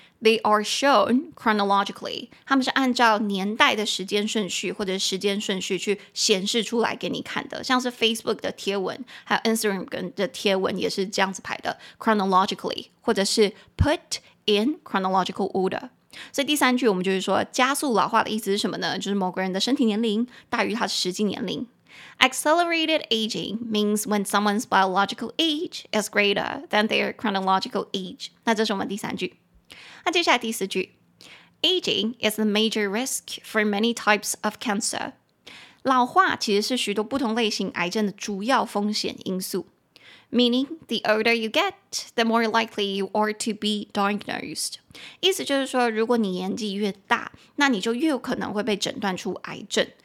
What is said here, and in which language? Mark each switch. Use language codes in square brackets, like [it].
[en] They are shown chronologically. [zh] 他们是按照年代的时间顺序或者时间顺序去显示出来给你看的，像是 Facebook 的贴文还有 Instagram 的贴文也是这样子排的 chronologically, 或者是 [en] put in chronological order。 [zh] 所以第三句我们就是说加速老化的意思是什么呢？就是某个人的身体年龄大于他的实际年龄。 [en] Accelerated aging means when someone's biological age is greater than their chronological age. [zh] 那这是我们第三句。那接下来第四句。 [en] aging is a major risk for many types of cancer. [zh] 老化其实是许多不同类型癌症的主要风险因素。 [en] Meaning, the older you get, the more likely you are to be diagnosed. [zh] 意思就是说，如果你年纪越大，那你就越有可能会被诊断出癌症。